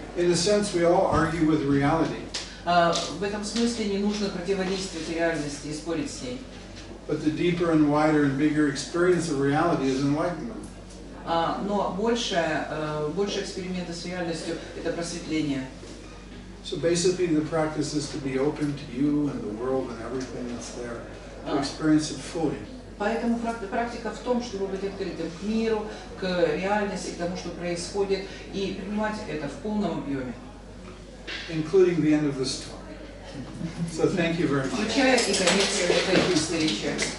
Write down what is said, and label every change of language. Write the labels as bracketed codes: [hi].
[en] In a sense, we all argue with reality. [ru] В этом смысле не нужно противодействовать реальности и спорить с ней. [en] But the deeper and wider and bigger experience of reality is enlightenment. [ru] Но больше эксперимента с реальностью – это просветление. [en] So basically, the practice is to be open to you and the world and everything that's there, to experience it fully. [ru] Поэтому практика в том, чтобы быть открытым к миру, к реальности, к тому, что происходит, и принимать это в полном объеме. [en] Including the end of this talk. So thank you very much. [ru] Включая и конец этой встречи.